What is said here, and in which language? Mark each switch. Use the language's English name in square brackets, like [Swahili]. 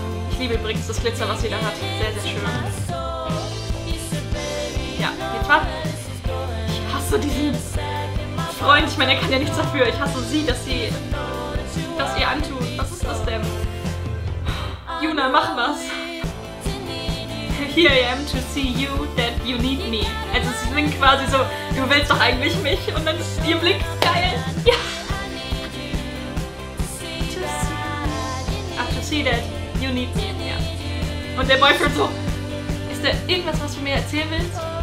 [German] Ich liebe übrigens das Glitzer, was sie da hat, sehr, sehr schön. Ja, jetzt war... Ich hasse diesen... Freund, ich meine, er kann ja nichts dafür. Ich hasse sie, dass sie das ihr antut. Was ist das denn? Yuna, mach was. [English] Here I am to see you that you need me. [German] Also sie singt quasi so, du willst doch eigentlich mich. Und dann ist ihr Blick geil. Ja. To see that you need me. Ja. Und der Boyfriend so, ist da irgendwas, was du mir erzählen willst?